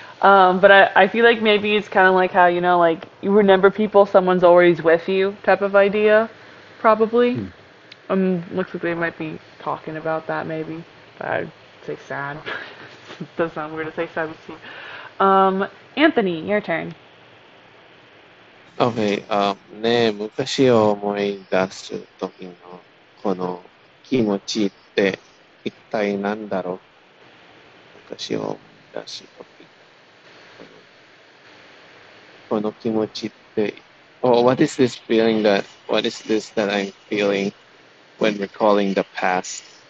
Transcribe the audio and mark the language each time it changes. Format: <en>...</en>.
<en>But I feel like maybe it's kind of like how, you know, like, you remember people, someone's always with you type of idea, probably. Looks like they might be talking about that maybe, but I'd say sad. Does sound weird to say sad with tea. Anthony, your turn.</en> <ja>Okay, ね、昔を思い出す時のこの気持ちって一体何だろう？昔を思い出す時のこの気持ちって、</ja> <en>oh, what is this feeling that, what is this that I'm feeling when recalling the past?</en>